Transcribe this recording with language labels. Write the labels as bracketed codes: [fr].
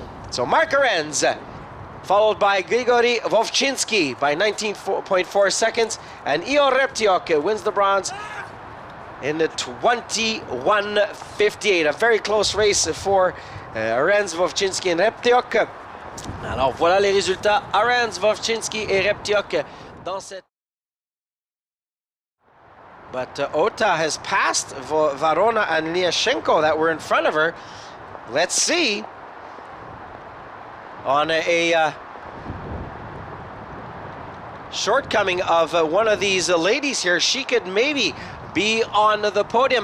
[en] So Mark Arend's followed by Grigory Vovchinsky by 19.4 seconds, and Io Reptiok wins the bronze in the 21:58. A very close race for Arend's, Vovchinsky, and Reptiok. [fr] Alors voilà les résultats, Arend's, Vovchinsky, et Reptiok dans cette. [en] But Ota has passed Varona and Lyashenko that were in front of her. Let's see. On a shortcoming of one of these ladies here, she could maybe be on the podium.